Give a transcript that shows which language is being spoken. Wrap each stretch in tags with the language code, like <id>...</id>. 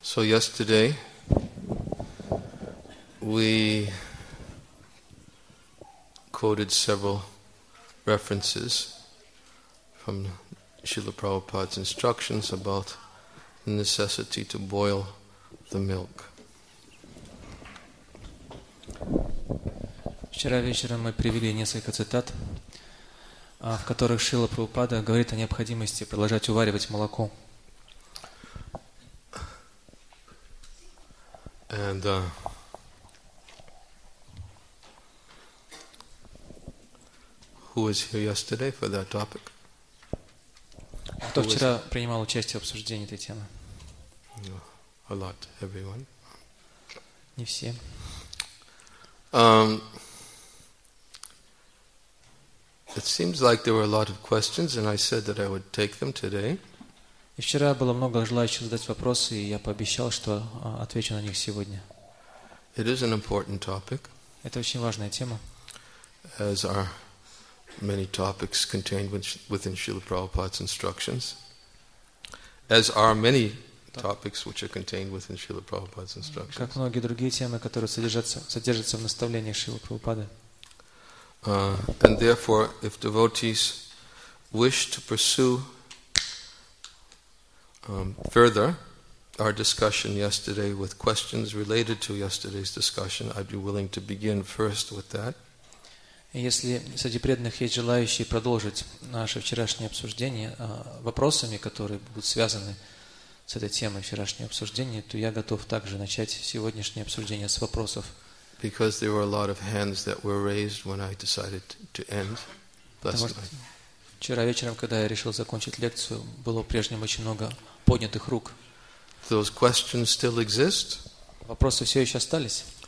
<en>So yesterday, we quoted several references from Srila Prabhupada's instructions about the necessity to boil the milk.</en> <ru>Вчера вечером мы привели несколько цитат, в которых Шрила Прабхупада говорит о необходимости продолжать уваривать молоко.</ru> <en>And who was here yesterday for that topic?</en> <ru>Кто вчера принимал участие в обсуждении этой темы?</ru> <en>A lot, everyone.</en> <ru>Не все.</ru> <en>It seems like there were a lot of questions, and I said that I would take them today.</en> <ru>И вчера было много желающих задать вопросы, и я пообещал, что отвечу на них сегодня.</ru> <en>It is an important topic.</en> <ru>Это очень важная тема.</ru> <en>As are many topics contained within Srila Prabhupada's instructions. As are many topics which are contained within Srila Prabhupada's instructions.</en> <ru>Как многие другие темы, которые содержатся в наставлениях Шрилы Прабхупады.</ru> <en>And therefore, if devotees wish to pursue further our discussion yesterday with questions related to yesterday's discussion, I'd be willing to begin first with that.</en> <ru>Если среди преданных есть желающие продолжить наше вчерашнее обсуждение вопросами, которые будут связаны с этой темой вчерашнего обсуждения, то я готов также начать сегодняшнее обсуждение с вопросов.</ru> <en>Because there were a lot of hands that were raised when I decided to end last night.</en> <ru>Вчера вечером, когда я решил закончить лекцию, было прежним очень много поднятых рук.</ru> <en>Those questions still exist?</en> <ru>Вопросы все еще остались?</ru>